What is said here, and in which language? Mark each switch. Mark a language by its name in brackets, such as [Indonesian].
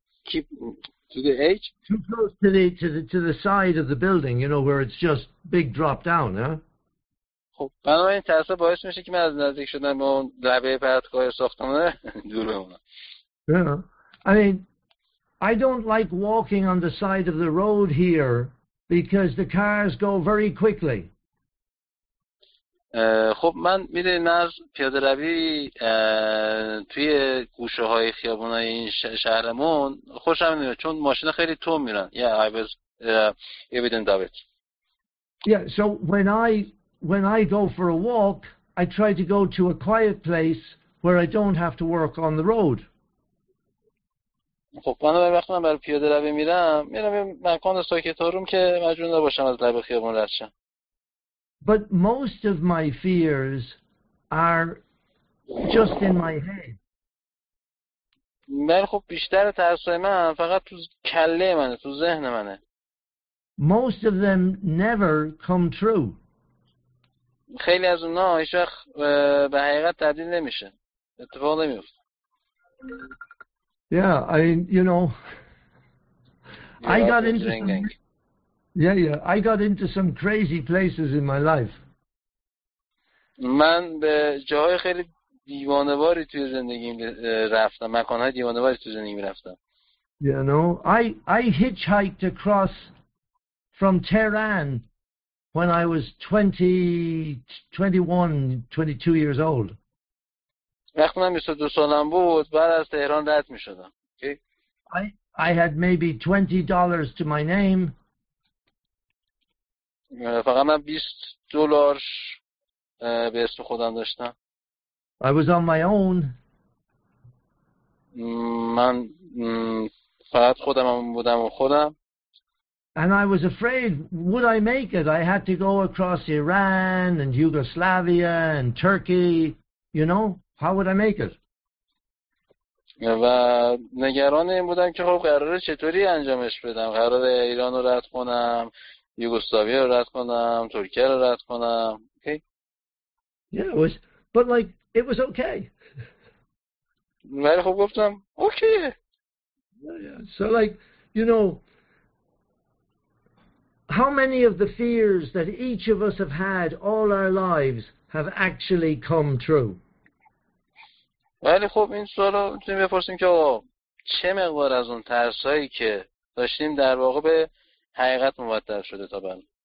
[English] Too close to the side of the building, you know, where it's just big drop down, huh? [Persian] خب بنابراین این ترس باعث میشه که من از نزدیک شدن به اون لبه پرتگاه ساختمان دور بمونم. [English] Yeah. I mean, I don't like walking on the side of the road here because the cars go very quickly. [Persian] خب من میدونم از پیاده روی توی گوشه های خیابان های این شهرمون خوشم نمیاد چون ماشین خیلی تون میرن. [English] Yeah, I was evident of it. Yeah, so when I go for a walk, I try to go to a quiet place where I don't have to work on the road. [Persian] خب من وقتی من برای پیاده روی میرم یه مکان ساکت آروم که مجبور نباشم از لبه خیابون رد شم. [English] But most of my fears are just in my head. [Persian] من خب بیشتر ترسای من فقط تو کله منه، تو ذهن منه. [English] Most of them never come true. [Persian] خیلی از اونا هیچ وقت به حقیقت تبدیل نمیشه، اتفاق نمیفته. [English] Yeah, I mean, you know, I got into some crazy places in my life. [Persian] من به جاهای خیلی دیوانواری توی زندگیم رفتم، مکانهای دیوانواری توی زندگیم رفتم. [English] You know, I hitchhiked across from Tehran when I was 20, 21, 22 years old. [Persian] وقتی من 22 سالم بود، بعد از تهران رد می شدم. [English] I had maybe $20 to my name. [Persian] فقط من 20 دلار به اسم خودم داشتم. [English] I was on my own. [Persian] من فقط خودم بودم و خودم. [English] And I was afraid, would I make it? I had to go across Iran and Yugoslavia and Turkey. You know, how would I make it? [Persian] و نگران این بودم که خب قراره چطوری انجامش بدم. قراره ایران رو رد کنم، یوگسلاوی رو رد کنم، ترکیه رو رد کنم. [English] Okay. Yeah, it was, but like, it was okay. [Persian] ولی خب گفتم اوکی. [English] So like, you know, how many of the fears that each of us have had all our lives have actually come true? [Persian] ولی خب این سوال رو میتونیم بپرسیم که آقا چه مقدار از اون ترسایی که داشتیم در واقع به حقیقت مبدل شده تا بعد.